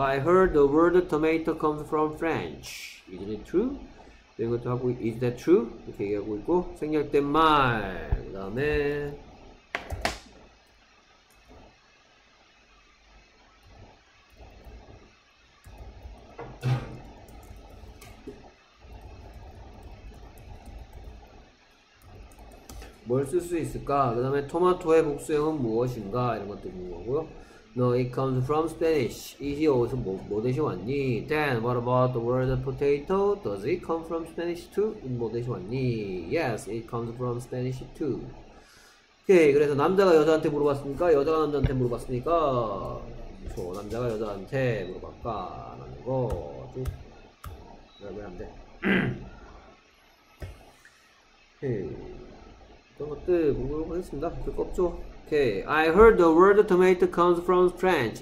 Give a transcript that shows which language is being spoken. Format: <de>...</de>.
<en>I heard the word tomato comes from French. Isn't it true?</en> <ko>이런 것도 하고</ko> <en>is that true?</en> <ko>이렇게 얘기하고 있고 생략된 말. 그다음에 뭘쓸수 있을까? 그다음에 토마토의 복수형은 무엇인가? 이런 것도 물어보고요.</ko> <en>No, it comes from Spanish.</en> <ko>이게 어디서 뭐 대신 왔니?</ko> <en>Then, what about the word potato? Does it come from Spanish too?</en> <ko>뭐 대신 왔니?</ko> <en>Yes, it comes from Spanish too.</en> <ko>오케이, 그래서 남자가 여자한테 물어봤습니까? 여자가 남자한테 물어봤습니까? 그렇죠, 남자가 여자한테 물어봤다라는 거. 쭉. 왜안 돼? 그런 것들 물어보겠습니다. 그거 없죠?</ko> <en>Okay, I heard the word tomato comes from French.</en>